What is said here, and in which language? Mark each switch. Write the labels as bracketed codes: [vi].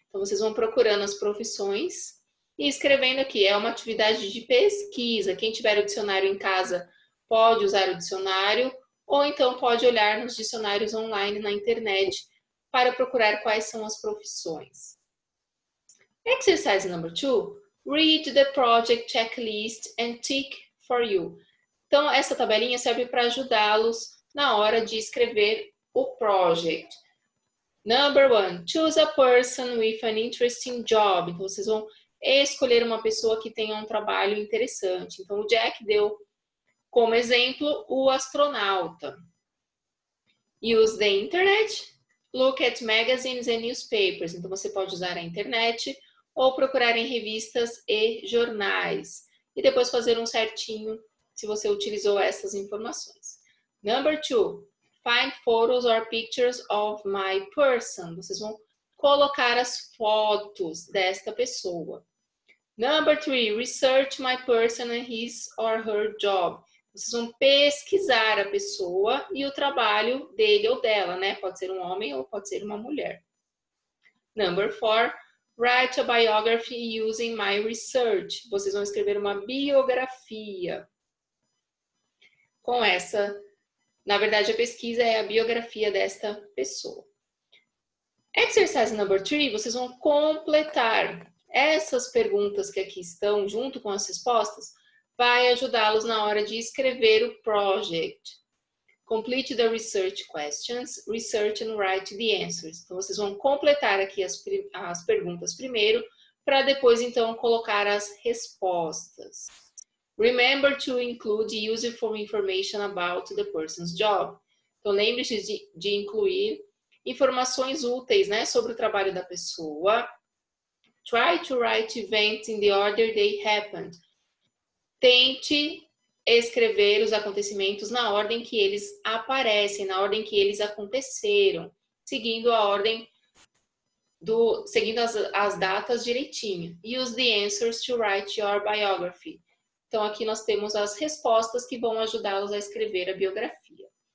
[pt] Então, vocês vão procurando as profissões e escrevendo aqui. É uma atividade de pesquisa. Quem tiver o dicionário em casa pode usar o dicionário ou então pode olhar nos dicionários online na internet para procurar quais são as profissões. [en] Exercise number two. Read the project checklist and tick for you. [pt] Então, essa tabelinha serve para ajudá-los na hora de escrever o project. [en] Number one, choose a person with an interesting job. [pt] Então, vocês vão escolher uma pessoa que tenha um trabalho interessante. Então, o Jack deu como exemplo o astronauta. [en] Use the internet, look at magazines and newspapers. [pt] Então, você pode usar a internet ou procurar em revistas e jornais. E depois fazer um certinho se você utilizou essas informações. [en] Number two. Find photos or pictures of my person. [pt] Vocês vão colocar as fotos desta pessoa. [en] Number three, research my person and his or her job. [pt] Vocês vão pesquisar a pessoa e o trabalho dele ou dela, né? Pode ser um homem ou pode ser uma mulher. [en] Number four, write a biography using my research. [pt] Vocês vão escrever uma biografia com essa. Na verdade, a pesquisa é a biografia desta pessoa. [en] Exercise number three, [pt] vocês vão completar essas perguntas que aqui estão, junto com as respostas, vai ajudá-los na hora de escrever o project. [en] Complete the research questions, research and write the answers. [pt] Então, vocês vão completar aqui as perguntas primeiro, para depois, então, colocar as respostas. [en] Remember to include useful information about the person's job. [pt] Então, lembre-se de incluir informações úteis, né, sobre o trabalho da pessoa. [en] Try to write events in the order they happened. [pt] Tente escrever os acontecimentos na ordem que eles aparecem, na ordem que eles aconteceram, seguindo a ordem do, seguindo as datas direitinho. [en] Use the answers to write your biography. [pt] Então, aqui nós temos as respostas que vão ajudá-los a escrever a biografia.